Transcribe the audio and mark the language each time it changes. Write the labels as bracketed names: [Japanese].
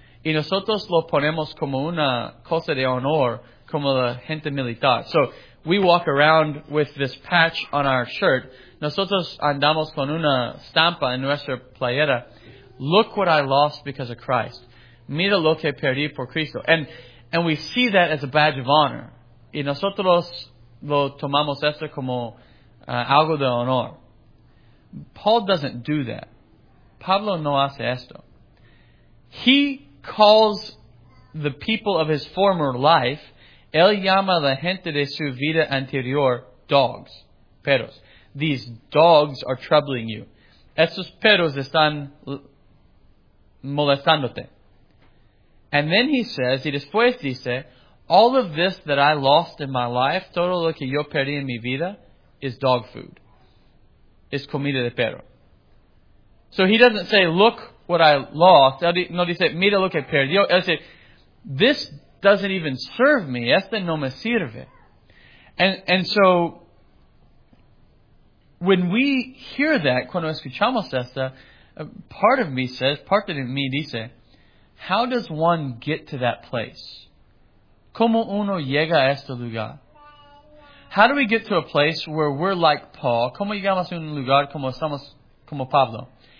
[Spanish] Y nosotros lo ponemos como una cosa de honor como la gente militar. [English] So, we walk around with this patch on our shirt. [Spanish] Nosotros andamos con una estampa en nuestra playera. [English] Look what I lost because of Christ. [Spanish] Mira lo que perdí por Cristo. [English] And we see that as a badge of honor. [Spanish] Y nosotros lo tomamos esto como algo de honor. [English] Paul doesn't do that. [Spanish] Pablo no hace esto. [English] He calls the people of his former life. [Spanish] Él llama la gente de su vida anterior dogs, perros. [English] These dogs are troubling you. [Spanish] Esos perros están molestándote. [English] And then he says, [Spanish] y después dice, [English] all of this that I lost in my life, [Spanish] todo lo que yo perdí en mi vida, [English] is dog food. [Spanish] Es comida de perro. [English] So he doesn't say, look what I lost. [Spanish] No dice, mira lo que perdió. Él dice, [English] this doesn't even serve me. [Spanish] Este no me sirve. [English] And so, when we hear that, [Spanish] cuando escuchamos esta, [English] part of me says, [Spanish] parte de mí dice, [English] how does one get to that place? [Spanish] ¿Cómo uno llega a este lugar? [English] How do we get to a place where we're like Paul? [Spanish] ¿Cómo llegamos a un lugar como estamos como Pablo?